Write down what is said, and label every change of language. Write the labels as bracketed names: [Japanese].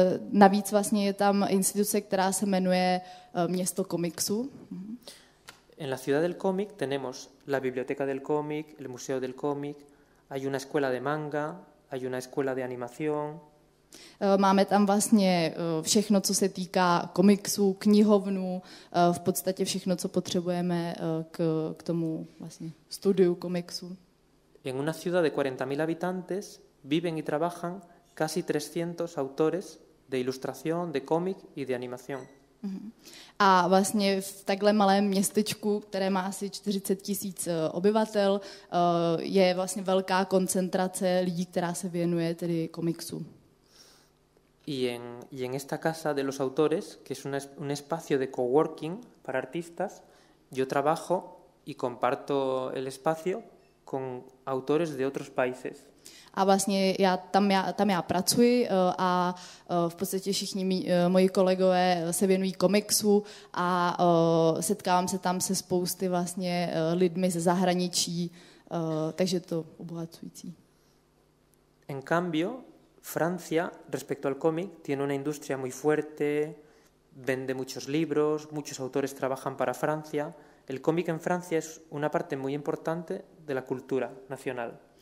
[Czech] Navíc vlastně je tam instituce, která se jmenuje Město komiksu. [Spanish] En la Ciudad del Cómic tenemos la Biblioteca del Cómic, el Museo del Cómic, hay una escuela de manga, hay una escuela de animación. [Czech] Máme tam vlastně všechno, co se týká komiksů, knihovnu, v podstatě všechno, co potřebujeme k tomu vlastně studiu komiksu. [Spanish] En una ciudad de 40.000 habitantes viven y trabajan casi 300 autores de ilustración, de cómic y de animación. [Czech] A vlastně v takhle malém městečku, které má asi 40 tisíc obyvatel, je vlastně velká koncentrace lidí, která se věnuje tedy komiksu. [Spanish] Y en esta casa de los autores, que es un espacio de coworking para artistas, yo trabajo y comparto el espacio con autores de otros países. [Czech] A vlastně já tam pracuji a v podstatě všichni moji kolegové se věnují komiksu a setkávám se tam se spousty vlastně lidmi ze zahraničí, takže to obohacující. [Spanish] En cambio, Francia, respecto al cómic, tiene una industria muy fuerte, vende muchos libros, muchos autores trabajan para Francia. El cómic en Francia es una parte muy importante de la cultura nacional.